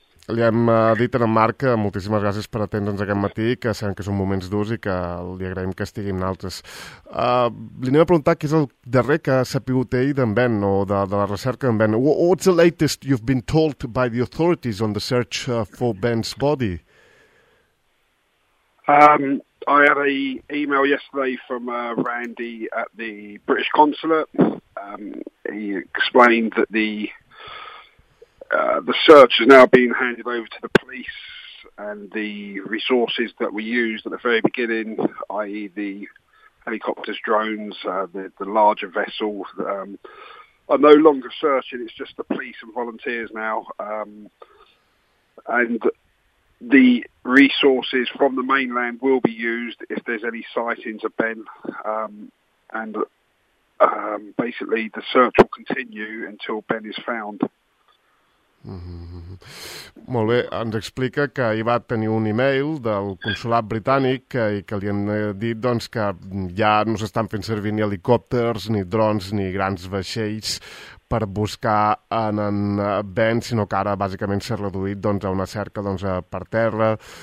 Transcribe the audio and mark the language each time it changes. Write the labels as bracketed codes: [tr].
[ca] Li hem dit a en Marc que moltíssimes gràcies per atendre'ns aquest matí, que sabem que són moments durs i que li agraïm que estigui amb nosaltres. Li anem a preguntar què és el darrer que ha sabut ell d'en Ben, o de la recerca d'en Ben. [en] What's the latest you've been told by the authorities on the search for Ben's body? I had an email yesterday from Randy at the British Consulate. He explained that the search has now been handed over to the police, and the resources that we used at the very beginning, i.e. the helicopters, drones, the larger vessel, are no longer searching. It's just the police and volunteers now. And the resources from the mainland will be used if there's any sightings of Ben. And basically, the search will continue until Ben is found. Mm-hmm. [ca] Molt bé, ens explica que hi va tenir un e-mail del consulat britànic i que li han dit doncs, que ja no s'estan fent servir ni helicòpters, ni drons, ni grans vaixells per buscar en Ben, sinó que ara bàsicament s'ha reduït doncs, a una cerca doncs, per terra